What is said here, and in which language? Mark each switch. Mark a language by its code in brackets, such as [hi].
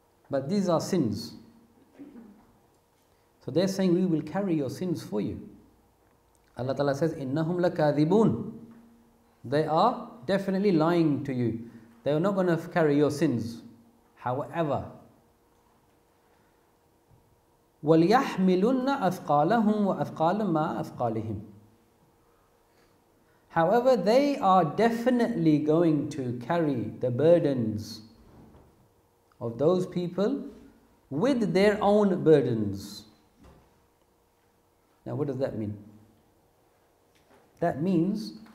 [en] But these are sins. So they're saying, we will carry your sins for you. Allah Ta'ala says, [ar] إِنَّهُمْ لَكَاذِبُونَ. [en] They are definitely lying to you. They are not going to carry your sins. However, [ar] وَلْيَحْمِلُنَّ أَثْقَالَهُمْ وَأَثْقَالًا مَا أَثْقَالِهِمْ. [en] However, they are definitely going to carry the burdens of those people with their own burdens. Now, what does that mean? That means